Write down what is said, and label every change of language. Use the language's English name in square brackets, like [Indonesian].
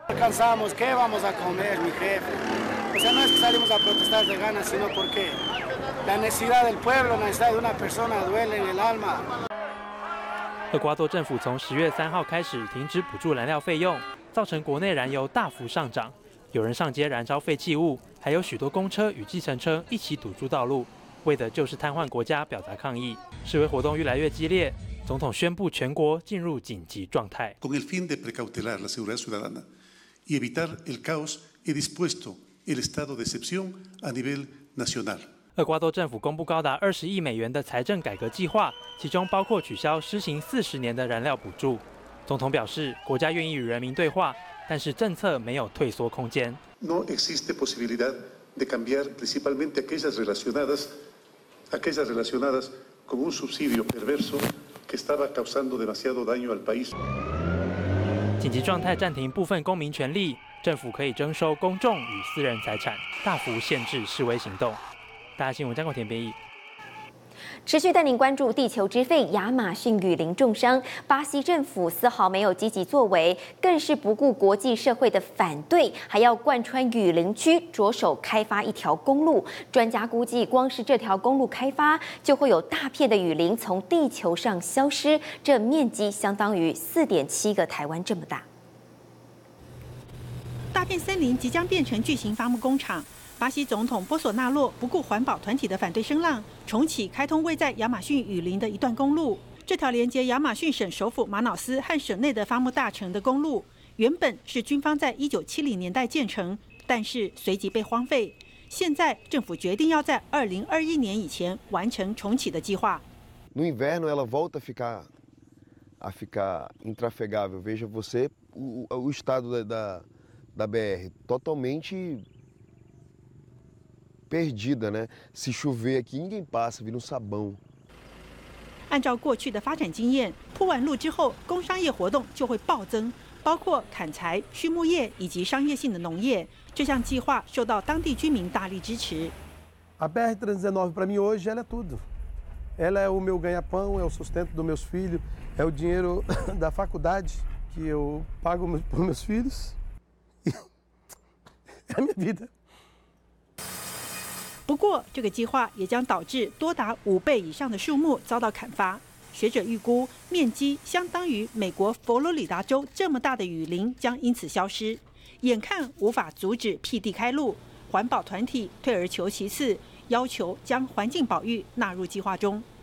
[Chinese] 厄瓜多政府从10月3号开始停止补助燃料费用，造成国内燃油大幅上涨，有人上街燃烧废弃物，还有许多公车与计程车一起堵住道路，为的就是瘫痪国家表达抗议。示威活动越来越激烈，总统宣布全国进入紧急状态。 [Spanish] Con el fin de precautelar la seguridad ciudadana y evitar el caos, he dispuesto el estado de excepción a nivel nacional。 [Chinese] 厄瓜多政府公布高达20亿美元的财政改革计划，其中包括取消施行40年的燃料补助。总统表示，国家愿意与人民对话，但是政策没有退缩空间。 [Spanish] No existe posibilidad de cambiar, principalmente aquellas relacionadas con un subsidio perverso que estaba causando demasiado daño al país。 [Chinese] 紧急状态暂停部分公民权利，政府可以征收公众与私人财产，大幅限制示威行动。大家新闻，张国田编译。持续带您关注地球之肺亚马逊雨林重伤，巴西政府丝毫没有积极作为，更是不顾国际社会的反对，还要贯穿雨林区着手开发一条公路。专家估计，光是这条公路开发，就会有大片的雨林从地球上消失，这面积相当于4.7个台湾这么大。大片森林即将变成巨型伐木工厂。巴西总统波索纳洛不顾环保团体的反对声浪，重启开通位在亚马逊雨林的一段公路。这条连接亚马逊省首府马瑙斯和省内的伐木大城的公路，原本是军方在1970年代建成，但是随即被荒废。现在政府决定要在2021年以前完成重启的计划。 [Portuguese] No inverno ela volta a ficar intrafegável. Veja você o estado da BR totalmente perdida, né? Se chover aqui, ninguém passa, vira sabão. [Chinese] 按照过去的发展经验，铺完路之后，工商业活动就会暴增，包括砍柴、畜牧业以及商业性的农业。这项计划受到当地居民大力支持。 [Portuguese] A BR-319 para mim hoje ela é tudo. Ela é o meu ganha-pão, é o sustento dos meus filhos, é o dinheiro da faculdade que eu pago para meus filhos. É a minha vida. [Chinese] 不过，这个计划也将导致多达5倍以上的树木遭到砍伐。学者预估，面积相当于美国佛罗里达州这么大的雨林将因此消失。眼看无法阻止辟地开路，环保团体退而求其次，要求将环境保育纳入计划中。